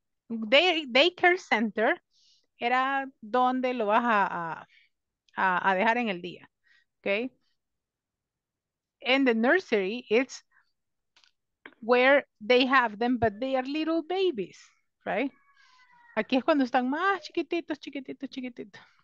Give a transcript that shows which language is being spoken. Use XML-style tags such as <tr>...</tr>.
<es>Daycare center era donde lo vas a dejar en el día, okay?</es> <en>And the nursery, it's where they have them, but they are little babies, right?</en> <es>Aquí es cuando están más chiquititos, chiquititos, chiquititos.</es>